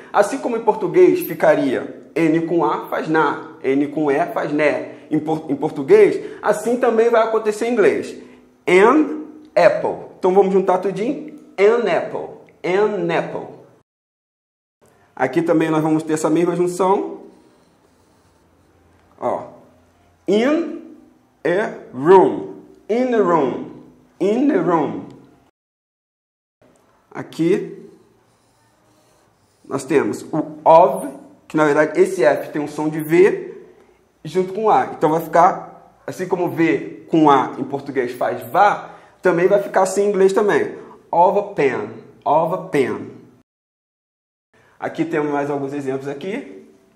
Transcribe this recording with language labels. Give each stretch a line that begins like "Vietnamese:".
Portuguese: Assim como em português ficaria N com A faz na, N com E faz né. Em português, assim também vai acontecer em inglês.
English: An apple.
Portuguese: Então vamos juntar tudinho.
English: An apple. An apple.
Portuguese: Aqui também nós vamos ter essa mesma junção. Ó.
English: In a room, in the room, in the room.
Portuguese: Aqui nós temos o of, que na verdade esse F tem um som de V junto com A. Então vai ficar assim como V com A em português faz vá, também vai ficar assim em inglês também.
English: Of a pen, of a pen.
Portuguese: Aqui temos mais alguns exemplos aqui.